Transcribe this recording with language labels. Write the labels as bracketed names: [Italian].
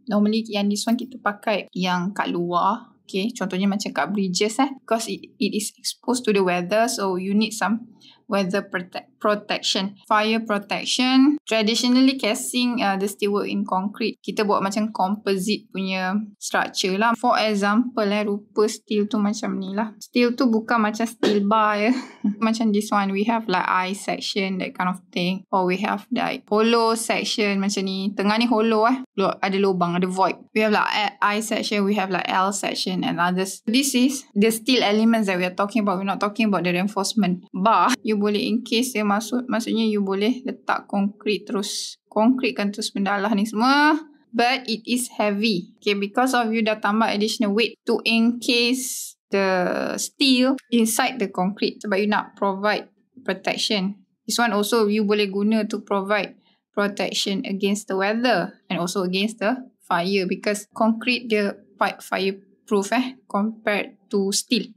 [English] Normally [Malay] yang [English] this one [Malay] kita pakai yang kat luar. Okay, contohnya macam kat bridges . [English] Because it is exposed to the weather, so you need some weather protection. Fire protection. Traditionally, casing the steelwork in concrete. [Malay] Kita buat macam composite punya structure lah. [English] For example . [Malay] Rupa steel tu macam ni lah. Steel tu bukan macam steel bar . Macam [English] this one, we have like eye section, that kind of thing. Or we have like hollow section [Malay] macam ni. Tengah ni [English] hollow . [Malay] Ada lubang, ada void. [English] We have like eye section, we have like L section and others. This is the steel elements that we are talking about. We're not talking about the reinforcement bar. [Malay] You boleh encase dia, maksudnya you boleh letak konkrit terus. Konkritkan terus benda lah ni semua. [English] but it is heavy. Okay, because of you [Malay] dah tambah [English] additional weight to encase the steel inside the concrete. [Malay] Sebab you nak [English] provide protection. This one also you [Malay] boleh guna [English] to provide protection against the weather and also against the fire, because concrete dia quite fireproof compared to steel.